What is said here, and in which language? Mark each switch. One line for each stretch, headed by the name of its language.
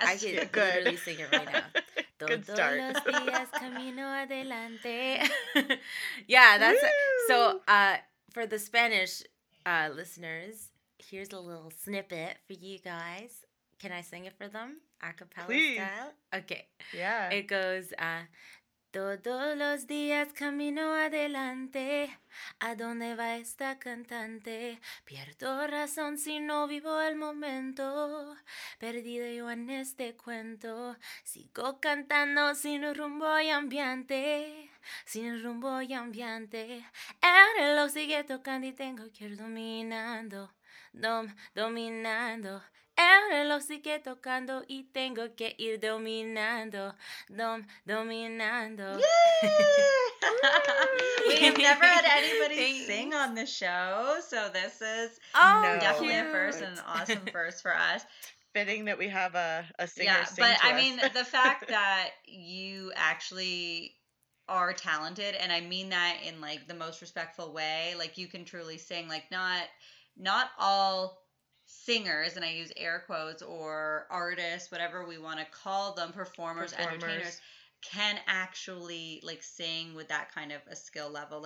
English: I can literally sing it right now. Good start.
Spanish: Todos los días camino adelante.
English: Yeah, that's so for the Spanish listeners, here's a little snippet for you guys. Can I sing it for them? A cappella style? Okay. Yeah. It goes,
Spanish: todos los días camino adelante, ¿a dónde va esta cantante? Pierdo razón si no vivo el momento, perdido yo en este cuento. Sigo cantando sin rumbo y ambiente, sin rumbo y ambiente. El reloj sigue tocando y tengo que ir dominando, dominando. El reloj sigue tocando y tengo que ir dominando, dominando.
English: Yeah! We've never had anybody sing on the show, so this is definitely a first and an awesome first for us. Fitting that we have a singer sing to us. But I mean, the fact that you actually are talented, and I mean that in like the most respectful way, like you can truly sing, like not all singers, and I use air quotes, or artists, whatever we want to call them, performers, entertainers, can actually like sing with that kind of a skill level.